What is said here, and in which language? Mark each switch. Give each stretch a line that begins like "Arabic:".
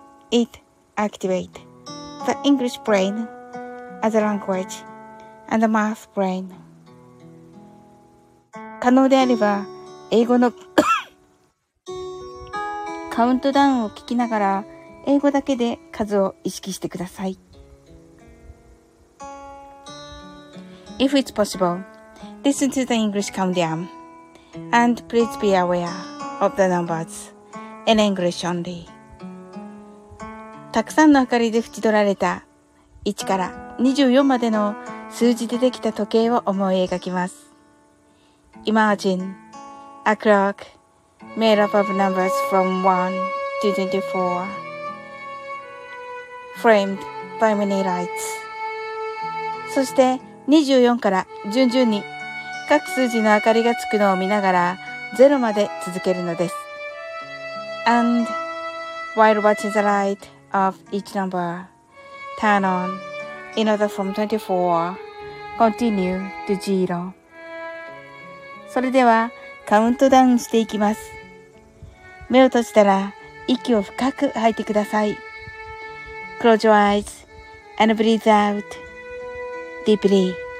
English: It activate the English brain as a language and the math brain。
Japanese: 可能であれば英語のカウントダウンを聞きながら英語だけで数を意識してください。
English: If it's possible, listen to the English countdown. And please be aware of the numbers in English only.
Japanese: たくさんの明かりで縁取られた1から24までの数字でできた時計を思い描きます。
English: Imagine a clock made up of numbers from 1 to 24, framed by many lights.
Japanese: そして、24から順々に各数字の明かりがつくのを見ながら0まで続けるのです。
English: And while watching the light of each number turn on in order from 24, continue to 0.
Japanese: それではカウントダウンしていきます。目を閉じたら息を深く吐いてください。
English: Close your eyes and breathe out deeply.